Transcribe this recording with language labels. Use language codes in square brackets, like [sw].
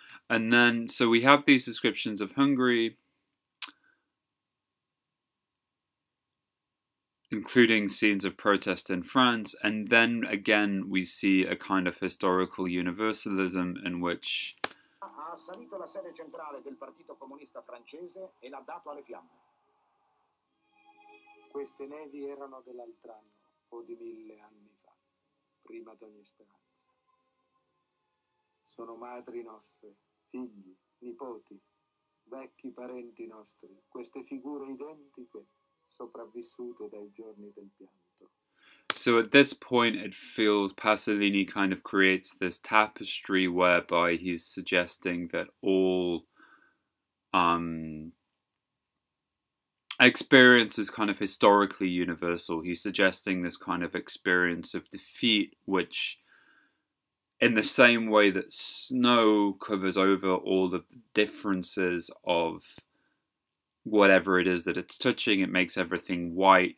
[en] And then, so we have these descriptions of Hungary, including scenes of protest in France. And then again, we see a kind of historical universalism in which [it] ha assalito la sede centrale del Partito Comunista Francese e l'ha dato alle fiamme. Queste nevi erano dell'altr'anno, o di mille anni fa, prima d'ogni speranza. Sono madri nostre, figli, nipoti, vecchi parenti nostri, queste figure identiche, sopravvissute dai giorni del pianto. [en] So at this point, it feels Pasolini kind of creates this tapestry whereby he's suggesting that all experience is kind of historically universal. He's suggesting this kind of experience of defeat, which in the same way that snow covers over all the differences of whatever it is that it's touching, it makes everything white.